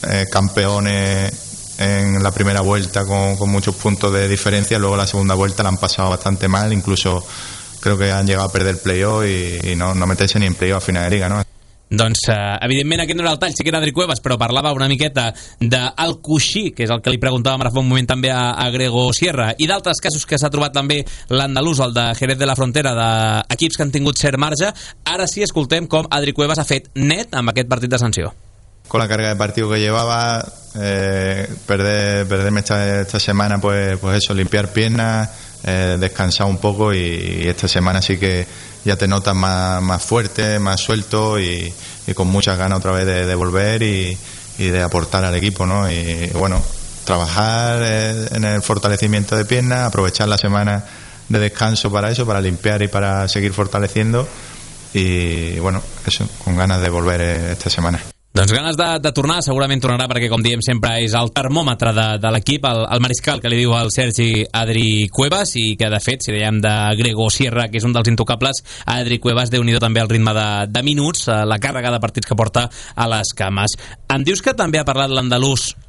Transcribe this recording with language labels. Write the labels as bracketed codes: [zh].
[es] campeones en la primera vuelta con muchos puntos de diferencia, luego la segunda vuelta la han pasado bastante mal, incluso creo que han llegado a perder play-off y no meterse ni en play-off a final de liga, ¿no? [ca] Doncs, evidentment, aquest no era el tall, sí que era Adri Cuevas, però parlava una miqueta del coixí, que és el que li preguntàvem ara fa un moment també a Grego Sierra, i d'altres casos que s'ha trobat també l'andalús, el de Jerez de la Frontera, d'equips que han tingut cert marge. Ara sí, escoltem com Adri Cuevas ha fet net amb aquest partit de sanció. [es] Con la carga de partido que llevaba, perderme esta semana, pues eso, limpiar piernas, descansar un poco, y esta semana sí que ya te notas más fuerte, más suelto y con muchas ganas otra vez de volver y de aportar al equipo, ¿no? Y bueno, trabajar en el fortalecimiento de piernas, aprovechar la semana de descanso para eso, para limpiar y para seguir fortaleciendo, y bueno, eso, con ganas de volver esta semana. [ca] Doncs ganes de tornar, segurament tornarà, perquè com diem sempre és el termòmetre de l'equip, el mariscal que li diu al Sergi Adri Cuevas, i que de fet, si dèiem de Grego Sierra, que és un dels intocables, Adri Cuevas déu-n'hi-do també el ritme de minuts, la càrrega de partits que porta a les cames. Em dius que també ha parlat l'andalús